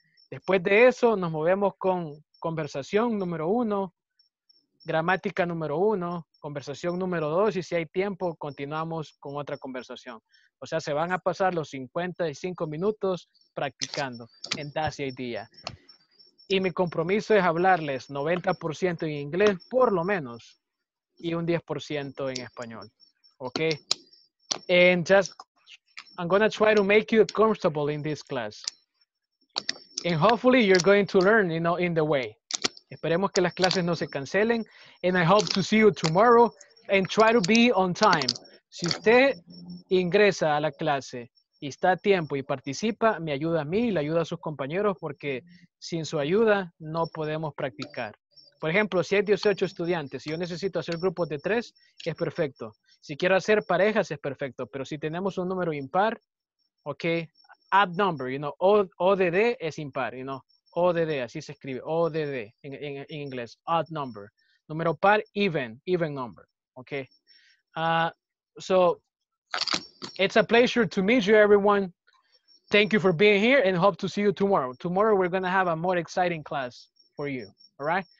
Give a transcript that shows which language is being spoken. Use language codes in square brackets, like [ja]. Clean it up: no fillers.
[es] Después de eso, nos movemos con conversación número uno, gramática número uno, conversación número dos, y si hay tiempo, continuamos con otra conversación. O sea, se van a pasar los 55 minutos practicando en casi el día. Y mi compromiso es hablarles 90% en inglés, por lo menos, y un 10% en español. ¿Ok? [en] And just, I'm going to try to make you comfortable in this class. And hopefully you're going to learn, you know, in the way. [es] Esperemos que las clases no se cancelen. [en] And I hope to see you tomorrow and try to be on time. [es] Si usted ingresa a la clase y está a tiempo y participa, me ayuda a mí y le ayuda a sus compañeros porque sin su ayuda no podemos practicar. Por ejemplo, si hay 18 estudiantes, si yo necesito hacer grupos de 3, es perfecto. Si quiero hacer parejas, es perfecto. Pero si tenemos un número impar, ok, [en] odd number, you know, [es] ODD es impar, [en] you know. [es] ODD, así se escribe, ODD, en inglés, [en] odd number. [es] Número par, [en] even number, [es] ok. [en] So, it's a pleasure to meet you, everyone. Thank you for being here and hope to see you tomorrow. Tomorrow, we're going to have a more exciting class for you, all right?